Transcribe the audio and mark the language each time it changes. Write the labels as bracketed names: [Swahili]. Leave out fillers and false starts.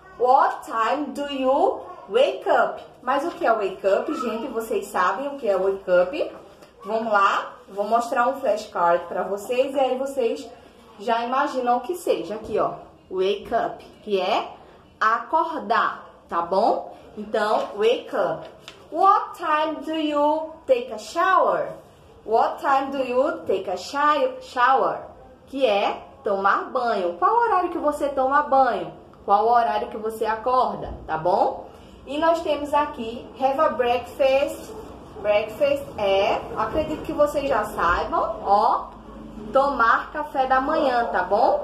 [English] What time do you wake up? [Portuguese] Mas o que é wake up, gente? Vocês sabem o que é wake up? Vamos lá? Vou mostrar um flashcard para vocês e aí vocês já imaginam o que seja. Aqui, ó, wake up, que é acordar, tá bom? Então, wake up. [English] What time do you take a shower? What time do you take a shower? [Portuguese] Que é tomar banho. Qual o horário que você toma banho? Qual o horário que você acorda, tá bom? E nós temos aqui, [English] have a breakfast. [Portuguese] Breakfast é, acredito que vocês já saibam, ó, tomar café da manhã, tá bom?